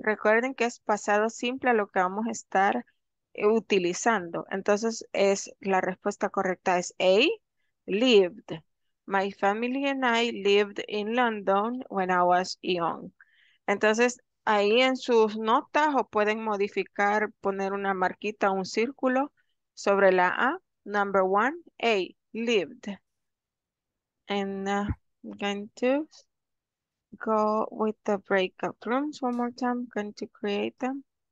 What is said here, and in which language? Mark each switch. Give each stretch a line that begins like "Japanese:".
Spanish: Recuerden que es pasado simple a lo que vamos a estar utilizando. Entonces, es la respuesta correcta es A, lived.
English: My family and I lived in London when I was young.
Spanish: Entonces, ahí en sus notas o pueden modificar, poner una marquita, un círculo, sobre la A,
English: number one,
Spanish: A, lived.
English: And going to go with the breakout rooms one more time, going to create them.